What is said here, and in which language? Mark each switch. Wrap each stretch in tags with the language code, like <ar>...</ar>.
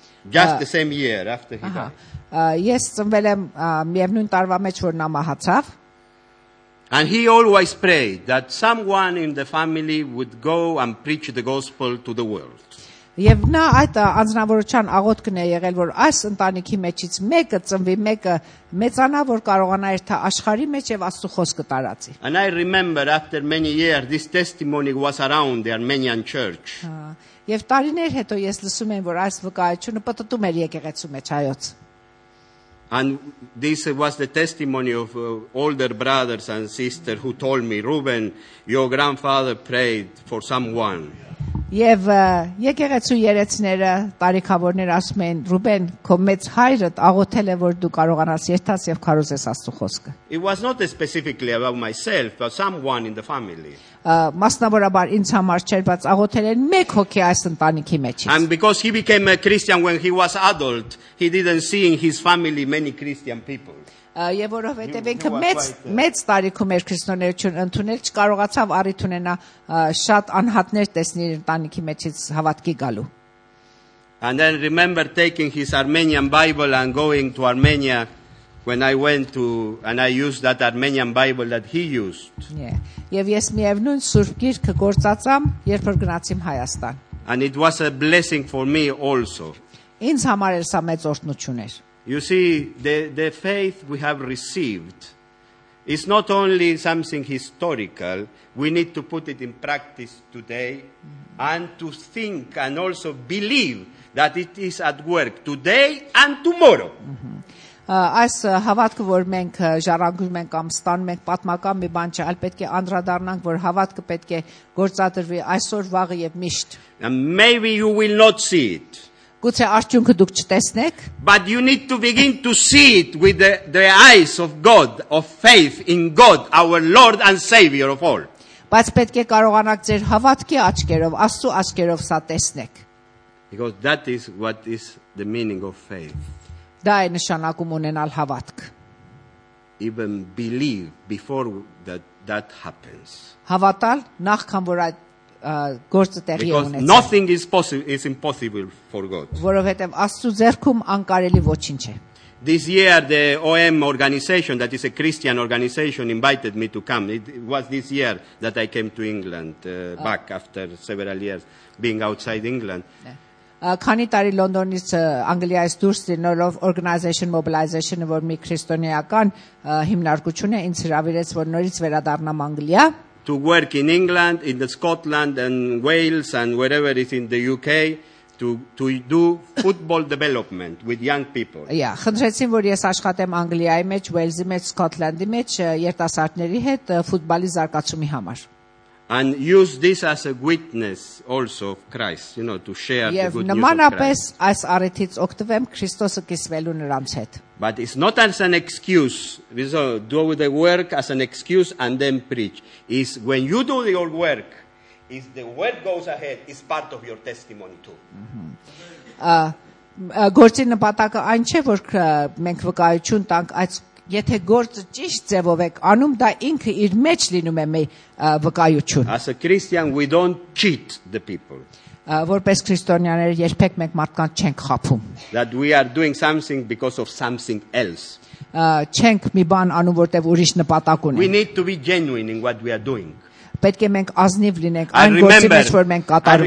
<en>Just the same year after he died.</en> <hy>Ես ծնվել եմ միևնույն տարվա մեջ, որ նա մահացավ.</hy> <en>And he always prayed that someone in the family would go and preach the gospel to the world.</en> <hy>Եվ նա այդ անձնավորության աղոթքն է եղել, որ այս ընտանիքի մեջից մեկը ծնվի, մեկը մեծանա, որ կարողանա իր թա աշխարհի մեջ եւ Աստծո խոսքը տարածի։</hy> <en>And I remember after many years this testimony was around the Armenian church.</en> <hy>Եվ տարիներ հետո ես լսում եմ, որ այս վկայությունը պատտում էր եկեղեցու մեջ այոց։</hy> <en>And this was the testimony of older brothers and sisters who told me, Ruben, your grandfather prayed for someone.</en> <hy>Եվ եկեղեցու երեցները, տարիքավորները ասում են, Ռուբեն, քո մեծ հայրդ աղոթել է, որ դու կարողանաս երթաս եւ քարոզես Աստծո խոսքը։</hy> <en>It was not specifically about myself, but someone in the family.</en> <hy>Մասնավորաբար ինձ համար չէր, բայց աղոթել են մեկ հոգի այս ընտանիքի մեջ։</hy> <en>And because he became a Christian when he was adult, he didn't see in his family many Christian people.</en> <hy>Եվ որովհետև ինքը մեծ տարիքում էր քրիստոնեություն ընդունել, չկարողացավ առիթ ունենա շատ անհատներ տեսնել ընտանիքի մեջից հավատքի գալու։</hy> <en>And then remember taking his Armenian Bible and going to Armenia when I went to and I used that Armenian Bible that he used.</en> <hy>Եվ ես միևնույն Սուրբ Գիրքը գործածամ, երբ որ գնացիմ Հայաստան։</hy> <en>And it was a blessing for me also.</en> <hy>Ինձ համար էլ սա մեծ օրհնություն էր։</hy> <en>You see, the faith we have received is not only something historical, we need to put it in practice today and to think and also believe that it is at work today and tomorrow.</en> <hy>Այս հավատքը, որ մենք ժառանգում ենք կամ ստանում ենք, պատմական մի բան չէ, այլ պետք է անդրադառնանք, որ հավատքը պետք է գործադրվի այսօր, վաղը եւ միշտ.</hy> <en>Maybe you will not see it.</en> <hy>Գուցե արդյունքը դուք չտեսնեք։</hy> <en>But you need to begin to see it with the eyes of God, of faith in God, our Lord and Savior of all.</en> <hy>Բայց պետք է կարողանաք ձեր հավատքի աչքերով, Աստծո աչքերով սա տեսնեք։</hy> <en>Because that is what is the meaning of faith.</en> <hy>Դա է նշանակում ունենալ հավատք։</hy> <en>Even believe before that happens.</en> <hy>Հավատալ նախքան որ այդ գործը տեղի ունեցա։</hy> <en>Because nothing is possible is impossible for God.</en> <hy>Որովհետև Աստծո ձեռքում անկարելի ոչինչ չէ։</hy> <en>This year the OM organization that is a Christian organization invited me to come. It was this year that I came to England back after several years being outside England.</en> <hy>Քանի տարի Լոնդոնից Անգլիայից դուրս լինելով organization mobilization-ը, որ մի քրիստոնեական հիմնարկություն է, ինձ հրավիրեց, որ նորից վերադառնամ Անգլիա.</hy> <en>To work in England, in the Scotland and Wales and wherever it is in the UK to do football development with young people.</en> <hy>Yeah, խնդրեցին, որ ես աշխատեմ Անգլիայի մեջ, Wales-ի մեջ, Scotland-ի մեջ երիտասարդների հետ ֆուտբոլի զարգացումի համար.</hy> <en>And use this as a witness also of Christ, you know, to share the good news of Christ.</en> <hy>Եվ նմանապես այս առիթից օգտվեմ Քրիստոսը կիսվելու նրանց հետ.</hy> <en>But it's not as an excuse. We do the work as an excuse and then preach. It's when you do the old work, if the word goes ahead, it's part of your testimony too.</en> <hy>Գործի նպատակը այն չէ, որ մենք վկայություն տանք, այլ եթե գործը ճիշտ ձևով եք անում, դա ինքը իր մեջ լինում է մի վկայություն։</hy> <en>As a Christian, we don't cheat the people.</en> <hy>Որպես քրիստոնյաներ երբեք մենք մարդկանց չենք խաբում։</hy> <en>That we are doing something because of something else.</en> <hy>Չենք մի բան անում, որտեվ ուրիշ նպատակ ունենք։</hy> <en>We need to be genuine in what we are doing.</en> <hy>Պետք է մենք ազնիվ լինենք այն գործի մեջ, որ մենք կատարում</hy>